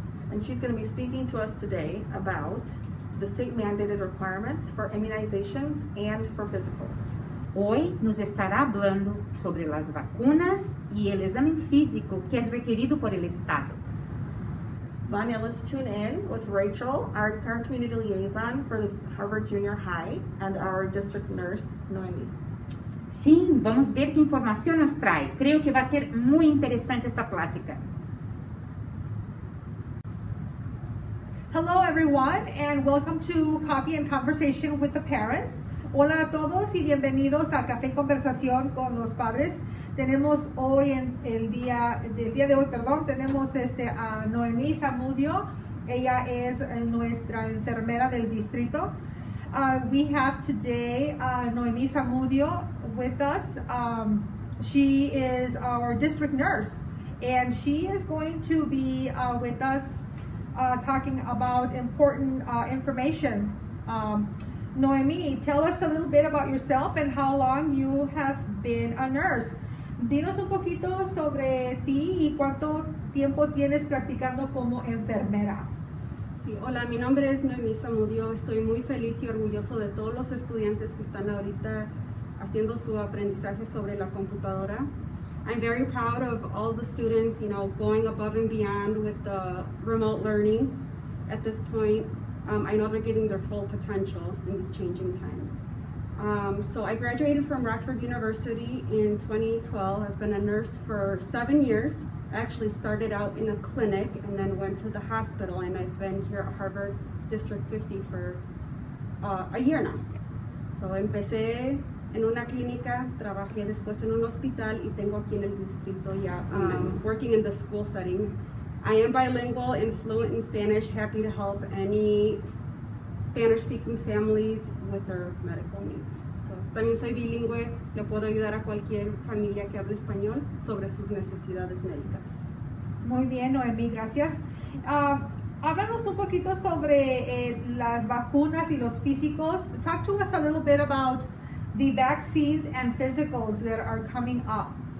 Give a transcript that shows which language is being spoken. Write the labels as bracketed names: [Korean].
[English] And she's going to be speaking to us today about the state mandated requirements for immunizations and for physicals. [Spanish] Hoy nos estará hablando sobre las vacunas y el examen físico que es requerido por el Estado. [English] Vania, let's tune in with Rachel, our parent community liaison for the Harvard Junior High, and our district nurse, Noemi. [Portuguese] Sim, vamos ver que informação nos trae. [Spanish] Creo que va a ser muy interesante esta plática. [English] Hello, everyone, and welcome to Coffee and Conversation with the Parents. [Spanish] Hola a todos y bienvenidos a Café y Conversación con los Padres. Tenemos hoy en el día de hoy, tenemos a Noemi Zalmudio. Ella es nuestra enfermera del distrito. [English] We have today Noemi Zalmudio with us. She is our district nurse, and she is going to be with us talking about important information. Noemi, tell us a little bit about yourself and how long you have been a nurse. Dinos un poquito sobre ti y cuánto tiempo tienes practicando como enfermera. [Spanish] Sí, hola, mi nombre es Noemi Zalmudio. Estoy muy feliz y orgulloso de todos los estudiantes que están ahorita haciendo su aprendizaje sobre la computadora. [English] I'm very proud of all the students, you know, going above and beyond with the remote learning at this point. I know they're getting their full potential in these changing times. So I graduated from Rockford University in 2012. I've been a nurse for 7 years. I actually started out in a clinic and then went to the hospital, and I've been here at Harvard District 50 for a year now. [Spanish] So empecé en una clínica, trabajé después en un hospital, y tengo aquí en el distrito ya [English] working in the school setting. I am bilingual and fluent in Spanish, happy to help any Spanish-speaking families with their medical needs. [Spanish] So, también soy bilingüe, le puedo ayudar a cualquier familia que hable español sobre sus necesidades médicas. Muy bien, Noemi, gracias. Háblanos un poquito sobre las vacunas y los físicos. [English] Talk to us a little bit about the vaccines and physicals that are coming up.